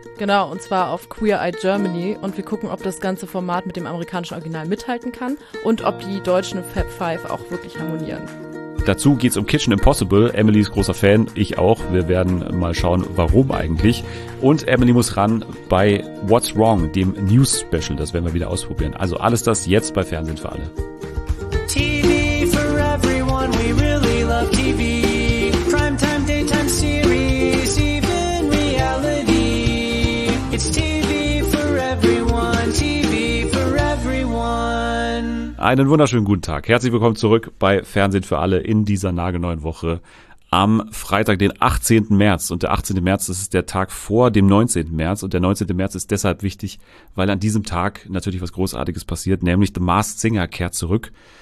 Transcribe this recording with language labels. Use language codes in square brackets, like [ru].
[de] Genau, und zwar auf Queer Eye Germany. Und wir gucken, ob das ganze Format mit dem amerikanischen Original mithalten kann und ob die deutschen Fab Five auch wirklich harmonieren. Dazu geht's um Kitchen Impossible. Emily ist großer Fan, ich auch. Wir werden mal schauen, warum eigentlich. Und Emily muss ran bei What's Wrong, dem News Special. Das werden wir wieder ausprobieren. Also alles das jetzt bei Fernsehen für alle. [en] TV for everyone, we really love TV. Primetime, daytime series, even reality. It's TV for everyone, TV for everyone. [de] Einen wunderschönen guten Tag. Herzlich willkommen zurück bei Fernsehen für alle in dieser nagelneuen Woche am Freitag, den 18. März. Und der 18. März, das ist der Tag vor dem 19. März. Und der 19. März ist deshalb wichtig, weil an diesem Tag natürlich was Großartiges passiert, nämlich The Masked Singer kehrt zurück.